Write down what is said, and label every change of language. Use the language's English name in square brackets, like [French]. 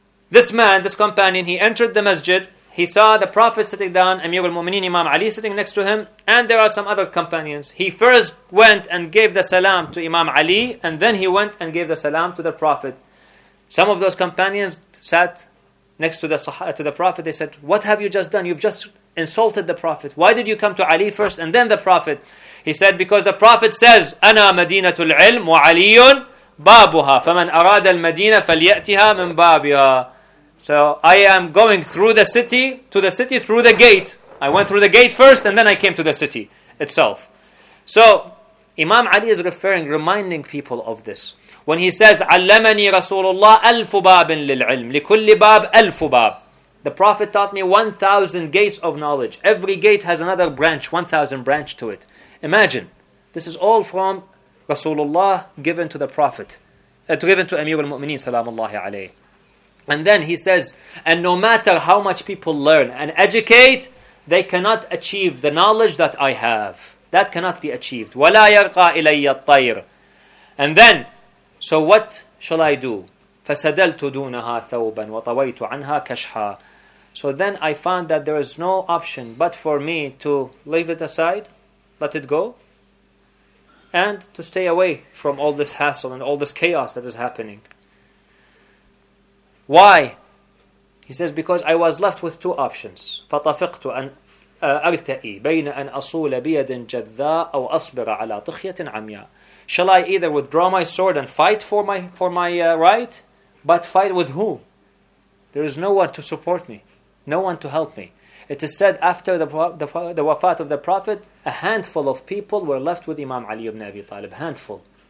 [English] This man, this companion, he entered the masjid, he saw the Prophet sitting down, Amir al-Mu'mineen Imam Ali sitting next to him, and there are some other companions. He first went and gave the salam to Imam Ali, and then he went and gave the salam to the Prophet. Some of those companions sat next to the Prophet. They said, what have you just done? You've just insulted the Prophet. Why did you come to Ali first and then the Prophet? He said, because the Prophet says, [Arabic] أَنَا مَدِينَةُ الْعِلْمُ وَعَلِيٌّ بَابُهَا فَمَنْ أَرَادَ الْمَدِينَةَ فَلْيَأْتِهَا مِنْ بَابِهَا. [English] So I am going through the city, to the city through the gate. I went through the gate first and then I came to the city itself. So Imam Ali is reminding people of this. When he says, [Arabic] عَلَّمَنِي رَسُولُ اللَّهِ أَلْفُ بَابٍ لِلْعِلْمِ لِكُلِّ بَابٍ أَلْفُ بَابٍ. [English] The Prophet taught me 1,000 gates of knowledge. Every gate has another branch, 1,000 branch to it. Imagine, this is all from Rasulullah given to the Prophet, given to Amir al-Mu'mineen, salamullahi alayhi. And then he says, and no matter how much people learn and educate, they cannot achieve the knowledge that I have. That cannot be achieved. [Arabic] وَلَا يَرْقَى إِلَيَّ الطَّيْرِ. [English] And then, so what shall I do? [Arabic] فَسَدَلْتُ دُونَهَا ثَوْبًا وَطَوَيْتُ عَنْهَا كَشْحًا. [English] So then I found that there is no option but for me to leave it aside, let it go, and to stay away from all this hassle and all this chaos that is happening. Why? He says, because I was left with two options. [Arabic] فَطَفِقْتُ أَنْ أَرْتَئِي بَيْنَ أَنْ أَصُولَ بِيَدٍ جَذَّاءَ أَوْ أَصْبِرَ عَلَى طِخْيَةٍ عَمْيَاءَ. [English] Shall I either withdraw my sword and fight for my right, but fight with whom? There is no one to support me, no one to help me. It is said after the wafat of the Prophet, a handful of people were left with Imam Ali ibn Abi Talib, handful.